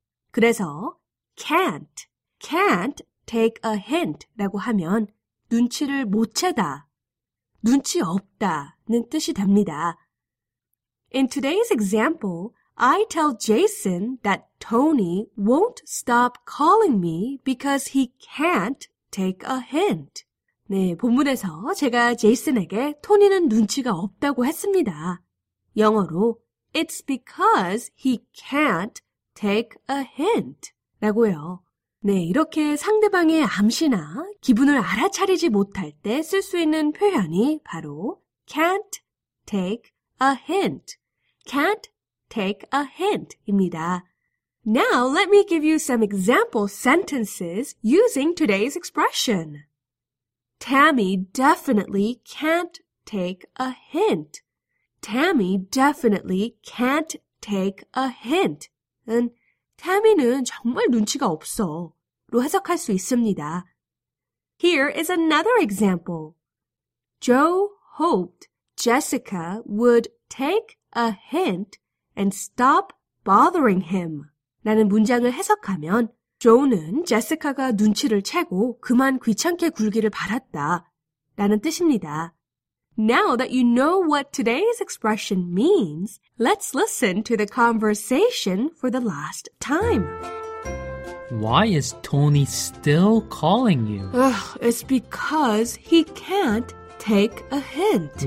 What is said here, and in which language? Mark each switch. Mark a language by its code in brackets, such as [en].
[ko] 그래서 [en] can't take a hint [ko] 라고 하면 눈치를 못 채다, 눈치 없다는 뜻이 됩니다. [en] In today's example, I tell Jason that Tony won't stop calling me because he can't take a hint. [ko] 네, 본문에서 제가 제이슨에게 토니는 눈치가 없다고 했습니다. 영어로 [en] It's because he can't take a hint [ko] 라고요. 네, 이렇게 상대방의 암시나 기분을 알아차리지 못할 때 쓸 수 있는 표현이 바로 [en] can't take a hint. Can't take a hint 입니다. Now let me give you some example sentences using today's expression. Tammy definitely can't take a hint. Tammy definitely can't take a hint. [ko] 은 Tammy는 정말 눈치가 없어로 해석할 수 있습니다. [en] Here is another example. Joe hoped Jessica would take a hint and stop bothering him. [ko] 라는 문장을 해석하면 조는 제시카가 눈치를 채고 그만 귀찮게 굴기를 바랐다 라는 뜻입니다. [en] Now that you know what today's expression means, let's listen to the conversation for the last time. Why is Tony still calling you? It's because he can't take a hint.